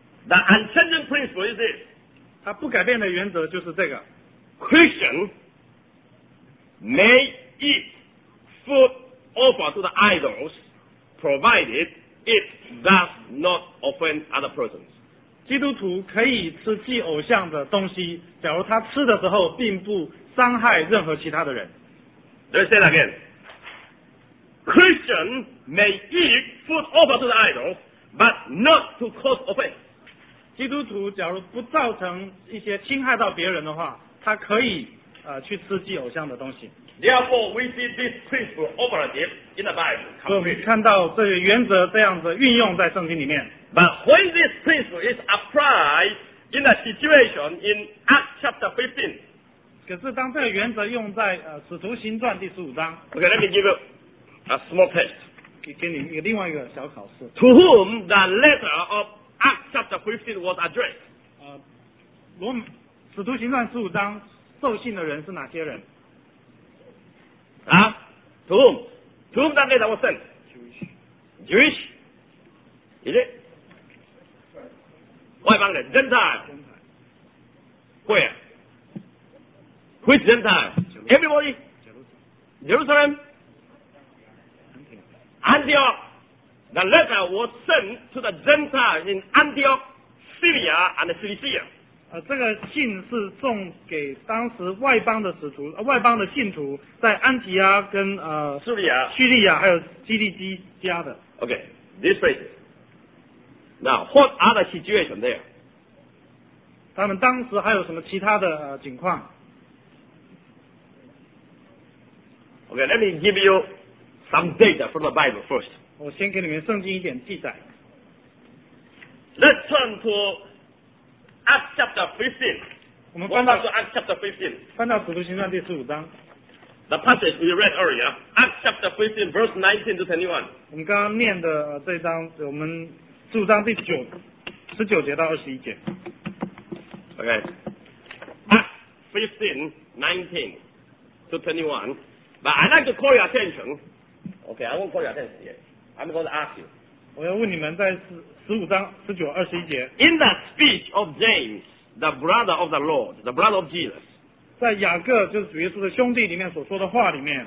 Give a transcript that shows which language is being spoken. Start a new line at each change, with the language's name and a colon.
English: ？The unchanging principle is this.
Chinese: 它不改变的原则就是这个。
English: Christian may eat food. Offer to the idols, provided it does not offend other persons.
Chinese: 基督徒可以吃祭偶像的东西，假如他吃的时候并不伤害任何其他的人。
English: Let me say that again. Christian may eat food offered to the idols, but not to cause offense.
Chinese: 基督徒假如不造成一些侵害到别人的话，他可以去吃祭偶像的东西。
English: Therefore, we see this principle operative in the Bible.
Chinese: 所以我们看到这个原则这样子运用在圣经里面。
English: But when this principle is applied in a situation in Acts chapter 15,
Chinese: 可是当这个原则用在使徒行传第十五章。
English: Okay, let me give you a small test.
Chinese: 给你一个另外一个小考试。
English: To whom the letter of Acts chapter 15 was addressed?
Chinese: 使徒行传十五章受信的人是哪些人？
English: To whom? To whom that letter was sent? Jewish. Is it?
Chinese: 外邦人
English: Gentile where which Gentile everybody Jerusalem Antioch the letter was sent to the Gentile in Antioch Syria and Cilicia
Chinese: 这个信是送给当时外邦的使徒、外邦的信徒，在安提阿跟叙利亚、还有基利基加的。
English: Okay, this place. Now, what other situation there?
Chinese: 他们当时还有什么其他的情况
English: ？Okay, let me give you some data from the Bible first.
Chinese: 我先给你们圣经一点记载。
English: Let's turn to Acts chapter 15.
Chinese: 我们翻到
English: 说 Acts chapter 15.
Chinese: 翻到使徒行传第十五章。
English: The passage we read earlier, Acts chapter 15, verse 19 to 21.
Chinese: 我们刚刚念的这一章，我们十五章第九十九节到二十一节。
English: Okay. Acts 15, 19 to 21. But I'd like to call your attention. Okay, I won't call your attention yet. I'm going to ask you.
Chinese: 我要问你们在十五章十九二十一节。
English: In the speech of James, the brother of the Lord, the brother of Jesus,
Chinese: 在雅各就是主耶稣的兄弟里面所说的话里面。